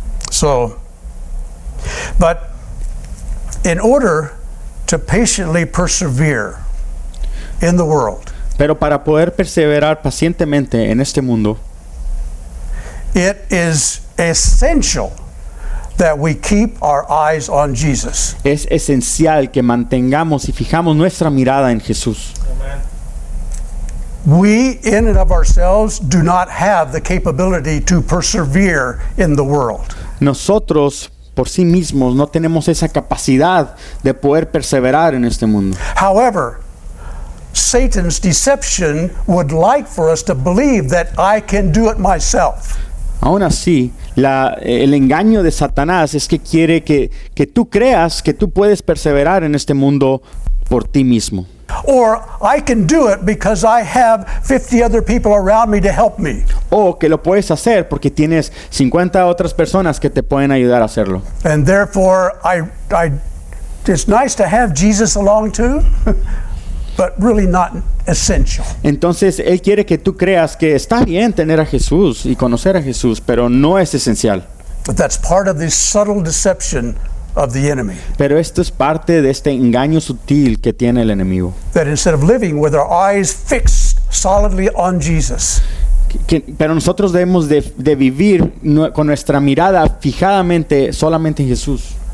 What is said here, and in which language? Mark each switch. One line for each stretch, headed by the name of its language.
English: So, but in order to patiently persevere in the world.
Spanish: Pero para poder perseverar pacientemente en este mundo.
English: It is essential that we keep our eyes on Jesus.
Spanish: Es esencial que mantengamos y fijamos nuestra mirada en Jesús.
English: Amen. We in and of ourselves do not have the capability to persevere in the world.
Spanish: Nosotros por sí mismos no tenemos esa capacidad de poder perseverar en este mundo.
English: However, Satan's deception would like for us to believe that I can do it myself.
Spanish: Aún así, el engaño de Satanás es que quiere que tú creas que tú puedes perseverar en este mundo por ti mismo.
English: Or I can do it because I have 50 other people around me to help me.
Spanish: O que lo puedes hacer porque tienes 50 otras personas que te pueden ayudar a hacerlo.
English: And therefore, I it's nice to have Jesus along too. But really not essential.
Spanish: Entonces él quiere que tú creas que está bien tener a Jesús y conocer a Jesús, pero no es esencial.
English: But that's part of the subtle deception of the enemy.
Spanish: Pero esto es parte de este engaño sutil que tiene el enemigo.
English: That instead of living with our eyes fixed solidly on Jesus.
Spanish: Pero nosotros debemos de vivir con nuestra mirada fijadamente solamente en Jesús.